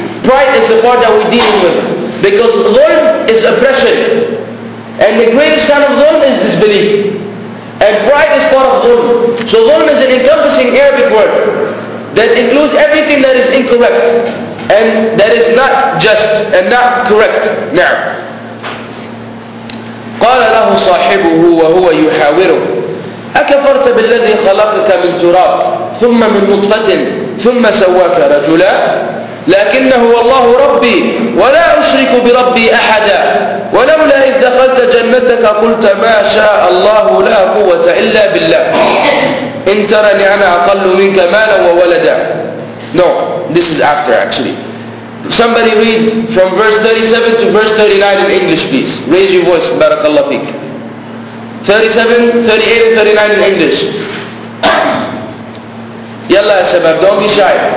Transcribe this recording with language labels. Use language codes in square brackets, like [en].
[en] Pride is the part that we're dealing with. Because ظلم is oppression. And the greatest kind of ظلم is disbelief. And pride is part of ظلم. So ظلم is an encompassing Arabic word that includes everything that is incorrect and that is not just and not correct. [ar] Now, قال له صاحبه وهو يحاوره أكفرت بالذي خلقك من تراب ثم من نطفة ثم سواك رجلا لكنه الله ربي ولا أشرك بربي أحدا ولولا إذ دخلت جنتك قلت ما شاء الله لا قوة إلا بالله إن ترني أنا أقل منك مالا وولدا. [en] No, this is after actually. Somebody read from verse 37 to verse 39 in English please. Raise your voice, [ar] بارك الله فيك. [en] 37, 38 and 39 in English. [ar] يلا يا شباب, [en] don't be shy.